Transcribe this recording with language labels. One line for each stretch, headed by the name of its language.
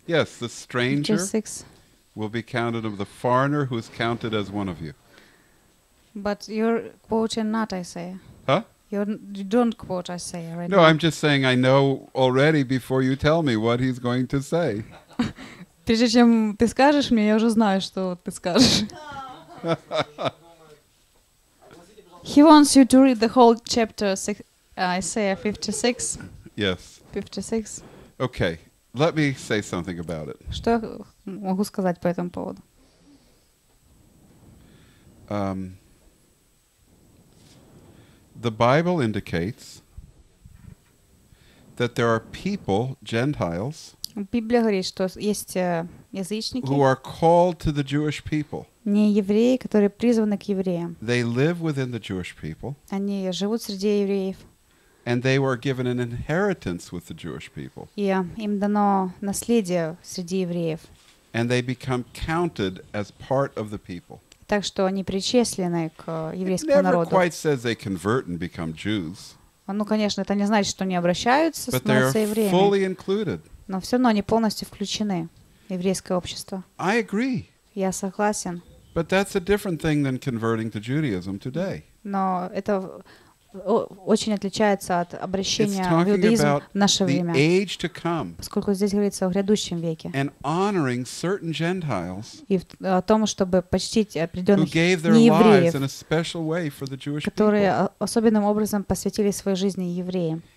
English: Yes, the stranger 56. Will be counted of the foreigner who is counted as one of you. But you're quoting not Isaiah. Huh? You don't quote Isaiah right no, now. No, I'm just saying I know already before you tell me what he's going to say.
Russian: Прежде чем ты скажешь мне, я уже знаю, что ты скажешь.
English: He wants you to read the whole chapter Isaiah 56. Yes. 56. Okay, let me say something about it.
Russian: Что могу сказать по этому поводу?
English: The Bible indicates that there are people, Gentiles,
Russian: Библия говорит, что есть язычники,
English: who are called to the Jewish people.
Russian: Не евреи, которые призваны к евреям.
English: They live within the Jewish people.
Russian: Они живут среди евреев.
English: And they were given an inheritance with the Jewish people.
Russian: И им дано наследие среди евреев.
English: And they become counted as part of the people.
Russian: Так что они причислены к еврейскому народу.
English: It never quite says they convert and become Jews.
Russian: Ну, конечно, это не значит, что они обращаются, становятся евреями.
English: Fully included.
Russian: Но все равно они полностью включены в еврейское общество.
English: I agree.
Russian: Я согласен.
English: But that's a different thing than converting to Judaism today.
Russian: Но это очень отличается от обращения в иудаизм в наше время.
English: The age to come.
Russian: Поскольку здесь говорится о грядущем веке.
English: And honoring certain Gentiles.
Russian: И о том, чтобы почтить определенных неевреев, которые особенным образом посвятили свои жизни евреям.